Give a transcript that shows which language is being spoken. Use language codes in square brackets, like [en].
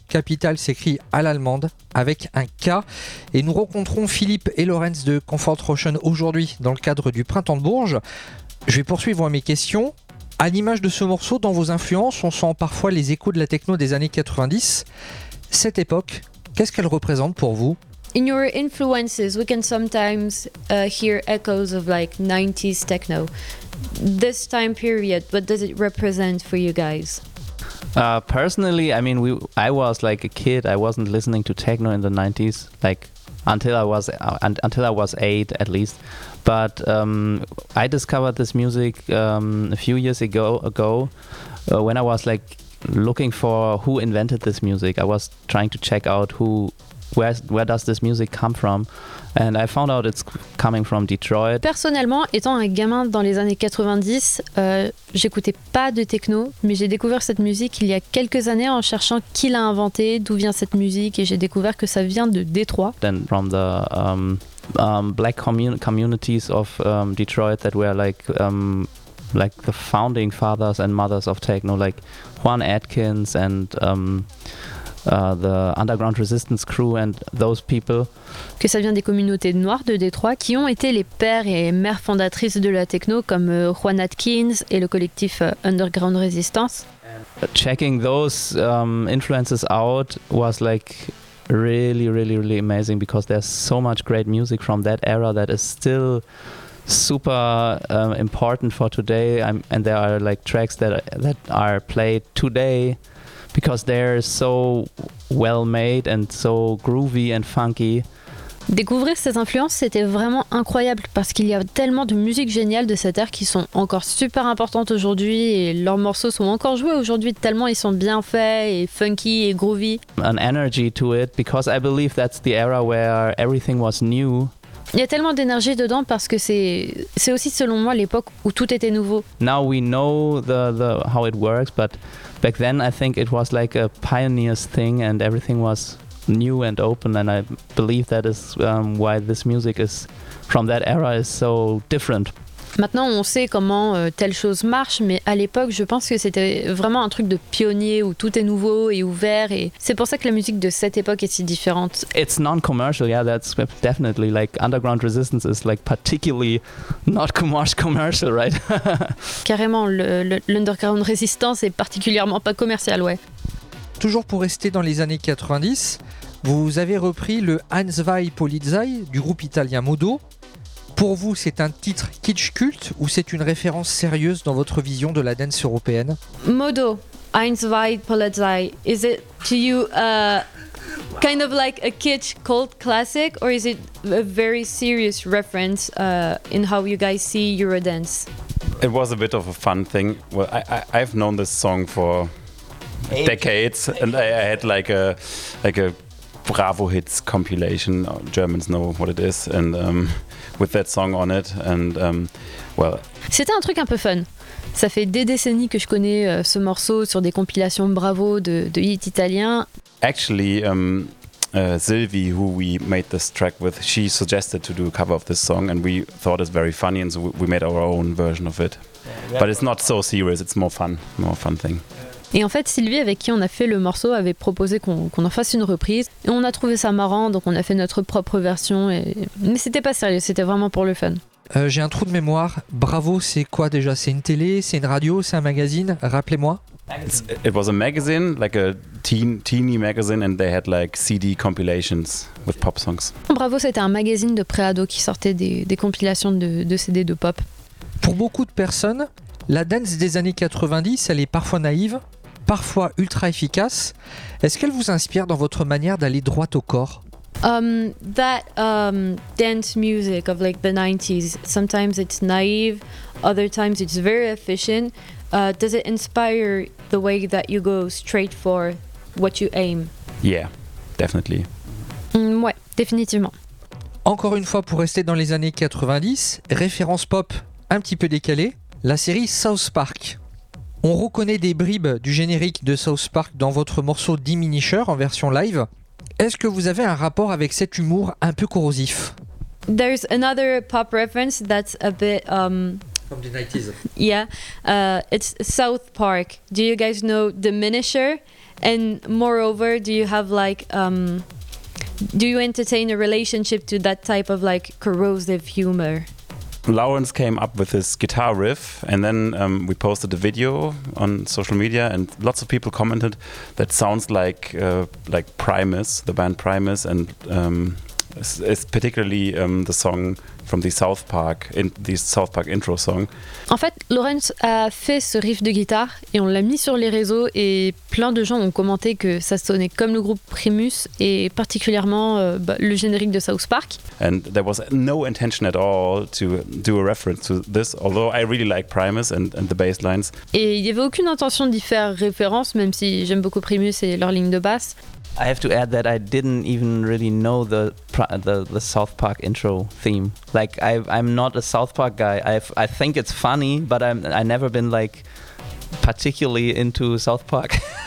[fr] Capital s'écrit à l'allemande avec un K. Et nous rencontrons Philippe et Lorenz de Comfort Ocean aujourd'hui dans le cadre du Printemps de Bourges. Je vais poursuivre mes questions. À l'image de ce morceau, dans vos influences, on sent parfois les échos de la techno des années 90. Cette époque, qu'est-ce qu'elle représente pour vous ? [en] In your influences, we can sometimes hear echoes of like 90s techno. This time period, what does it represent for you guys? Personally, I mean, I was like a kid. I wasn't listening to techno in the 90s, like until I was 8 at least. But I discovered this music a few years ago when I was like looking for who invented this music. I was trying to check out where does this music come from, and I found out it's coming from Detroit. [fr] Personnellement, étant un gamin dans les années 90, j'écoutais pas de techno, mais j'ai découvert cette musique il y a quelques années en cherchant qui l'a inventée, d'où vient cette musique, et j'ai découvert que ça vient de Détroit. [en] Then from the black communities of Detroit that were like the founding fathers and mothers of techno, like Juan Atkins and the Underground Resistance Crew and those people. [fr] Que ça vient des communautés noires de Détroit qui ont été les pères et mères fondatrices de la techno comme Juan Atkins et le collectif Underground Resistance. [en] Checking those influences out was like really, really, really amazing because there's so much great music from that era that is still super important for today. And there are like tracks that are played today because they're so well made and so groovy and funky. [fr] Découvrir ces influences, c'était vraiment incroyable parce qu'il y a tellement de musique géniale de cette ère qui sont encore super importantes aujourd'hui et leurs morceaux sont encore joués aujourd'hui tellement ils sont bien faits et funky et groovy. [en] An energy to it because I believe that's the era where everything was new. [fr] Il y a tellement d'énergie dedans parce que c'est aussi selon moi l'époque où tout était nouveau. [en] Now we know the how it works, but back then I think it was like a pioneer's thing and everything was new and open, and I believe that is why this music is from that era is so different. [fr] Maintenant on sait comment telle chose marche, mais à l'époque je pense que c'était vraiment un truc de pionnier où tout est nouveau et ouvert, et c'est pour ça que la musique de cette époque est si différente. [en] It's non-commercial, yeah, that's definitely like Underground Resistance is like particularly not commercial, right? [fr] Carrément, l'Underground Resistance est particulièrement pas commercial, ouais. Toujours pour rester dans les années 90, vous avez repris le Hans vai Polizei du groupe italien Modo. Pour vous, c'est un titre kitsch culte ou c'est une référence sérieuse dans votre vision de la dance européenne? [en] Modo, Hans vai Polizei, is it to you kind of like a kitsch cult classic, or is it a very serious reference in how you guys see Eurodance? It was a bit of a fun thing. Well, I've known this song for decades, and I had like a Bravo Hits compilation. Germans know what it is, and with that song on it, and well. [fr] C'était un truc un peu fun. Ça fait des décennies que je connais ce morceau sur des compilations Bravo de hits italiens. [en] Actually, Sylvie, who we made this track with, she suggested to do a cover of this song, and we thought it's very funny, and so we made our own version of it. But it's not so serious. It's more fun thing. [fr] Et en fait, Sylvie, avec qui on a fait le morceau, avait proposé qu'on en fasse une reprise. Et on a trouvé ça marrant, donc on a fait notre propre version. Mais c'était pas sérieux, c'était vraiment pour le fun. J'ai un trou de mémoire. Bravo, c'est quoi déjà? C'est une télé? C'est une radio? C'est un magazine? Rappelez-moi. [en] It was a magazine, like a teeny magazine, and they had like CD compilations with pop songs. [fr] Bravo, c'était un magazine de pré-ado qui sortait des compilations de CD de pop. Pour beaucoup de personnes, la dance des années 90, elle est parfois naïve, parfois ultra efficace. Est-ce qu'elle vous inspire dans votre manière d'aller droit au corps? [en] Dance music of like the 90s, sometimes it's naive, other times it's very efficient. Does it inspire the way that you go straight for what you aim? Yeah, definitely. [fr] Ouais, définitivement. Encore une fois, pour rester dans les années 90, référence pop un petit peu décalée. La série South Park. On reconnaît des bribes du générique de South Park dans votre morceau Diminisher en version live. Est-ce que vous avez un rapport avec cet humour un peu corrosif? [en] There's another pop reference that's a bit from the 90s. Yeah, it's South Park. Do you guys know Diminisher? And moreover, do you have like do you entertain a relationship to that type of like corrosive humor? Lawrence came up with this guitar riff, and then we posted a video on social media, and lots of people commented that sounds like Primus, the band Primus, and it's particularly the song from the South Park, in the South Park intro song. [fr] En fait, Lawrence a fait ce riff de guitare et on l'a mis sur les réseaux, et plein de gens ont commenté que ça sonnait comme le groupe Primus et particulièrement le générique de South Park. [en] And there was no intention at all to do a reference to this, although I really like Primus and the bass lines. [fr] Et il n'y avait aucune intention d'y faire référence, même si j'aime beaucoup Primus et leur ligne de basse. [en] I have to add that I didn't even really know the South Park intro theme. Like I'm not a South Park guy. I think it's funny, but I never been like particularly into South Park.